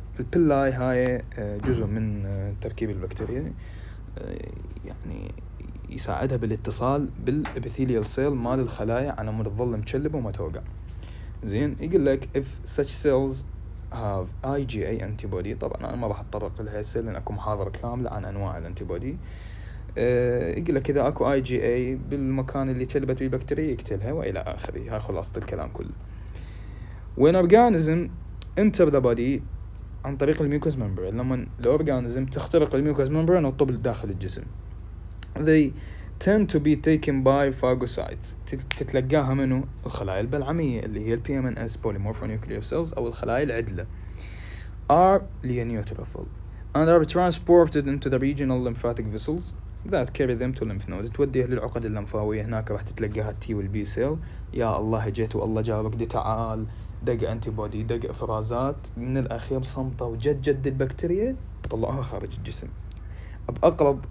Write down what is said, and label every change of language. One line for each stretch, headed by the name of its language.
Arabic: البلاي هاي جزء من تركيب البكتيريا، يعني يساعدها بالاتصال بالابيثيليال سيل مال الخلايا على مود تظل مكلب وما توقع. زين، يقول لك
English: if such cells have IgA antibody،
Arabic: طبعا انا ما راح اتطرق لها هسه لان اكو محاضره كامله عن انواع الانتيبودي. يقول لك اذا اكو IgA بالمكان اللي كلبت بيه البكتيريا يقتلها والى اخره. هاي خلاصه الكلام كله.
English: when organism enter the body
Arabic: عن طريق الميوكوز ممبرين، لما الاورجانزم تخترق الميوكوز ممبرين وتطب داخل الجسم،
English: they tend to be taken by phagocytes،
Arabic: تتلقاها منه الخلايا البلعمية اللي هي PMNS polymorphonuclear cells أو الخلايا العدلة،
English: are neutrophil and are transported into the regional lymphatic vessels that carry them to lymph nodes،
Arabic: توديها للعقد اللمفاوية، هناك راح تتلقاها T والB cell. يا الله جيت والله جابك، دي تعال دق antibody دق إفرازات، من الأخير صمتة وجد جد البكتيريا طلعها خارج الجسم بأقرب.